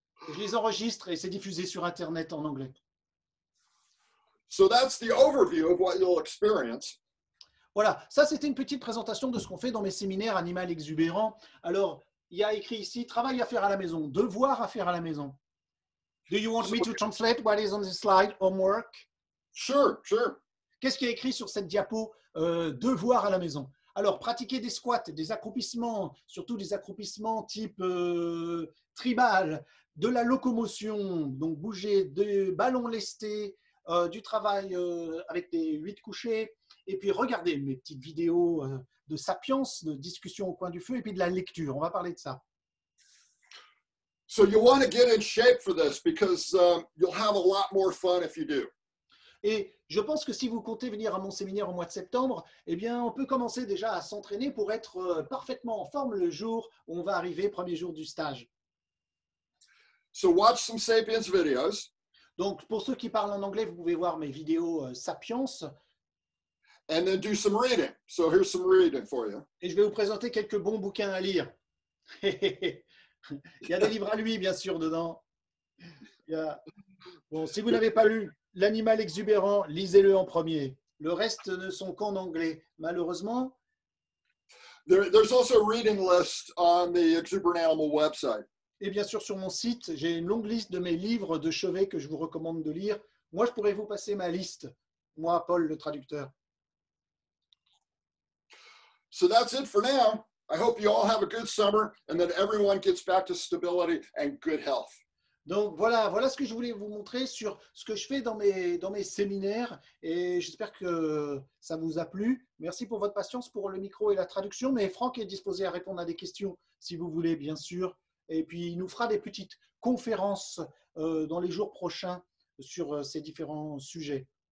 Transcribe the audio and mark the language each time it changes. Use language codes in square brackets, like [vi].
[fr] Je les enregistre et c'est diffusé sur Internet en anglais. [en] So that's the overview of what you'll experience. [fr] Voilà, ça c'était une petite présentation de ce qu'on fait dans mes séminaires Animal Exubérant. Alors, il y a écrit ici, travail à faire à la maison, devoir à faire à la maison. [en] Do you want me to translate what is on the slide, homework? Sure. [fr] Qu'est-ce qui est écrit sur cette diapo, devoir à la maison? Alors, pratiquer des squats, des accroupissements, surtout des accroupissements type tribal, de la locomotion, donc bouger, des ballons lestés, du travail avec des 8 couchés, et puis regarder mes petites vidéos de sapiens, de discussion au coin du feu, et puis de la lecture. On va parler de ça. [en] So you want to get in shape for this because you'll have a lot more fun if you do. [fr] Et je pense que si vous comptez venir à mon séminaire au mois de septembre, eh bien, on peut commencer déjà à s'entraîner pour être parfaitement en forme le jour où on va arriver, premier jour du stage. [en] So watch some Sapiens videos. [fr] Donc, pour ceux qui parlent en anglais, vous pouvez voir mes vidéos Sapiens. [en] And then do some reading. So here's some reading for you. [fr] Et je vais vous présenter quelques bons bouquins à lire. Il y a des livres à lui, bien sûr, dedans. Bon, si vous n'avez pas lu L'animal exubérant, lisez-le en premier. Le reste ne sont qu'en anglais, malheureusement. [en] There's also a reading list on the Exuberant Animal website. [fr] Et bien sûr, sur mon site, j'ai une longue liste de mes livres de chevet que je vous recommande de lire. Moi, je pourrais vous passer ma liste, moi, Paul, le traducteur. [en] So that's it for now. I hope you all have a good summer and that everyone gets back to stability and good health. [fr] Donc voilà ce que je voulais vous montrer sur ce que je fais dans mes séminaires et j'espère que ça vous a plu. Merci pour votre patience pour le micro et la traduction, mais Franck est disposé à répondre à des questions si vous voulez, bien sûr. Et puis il nous fera des petites conférences dans les jours prochains sur ces différents sujets.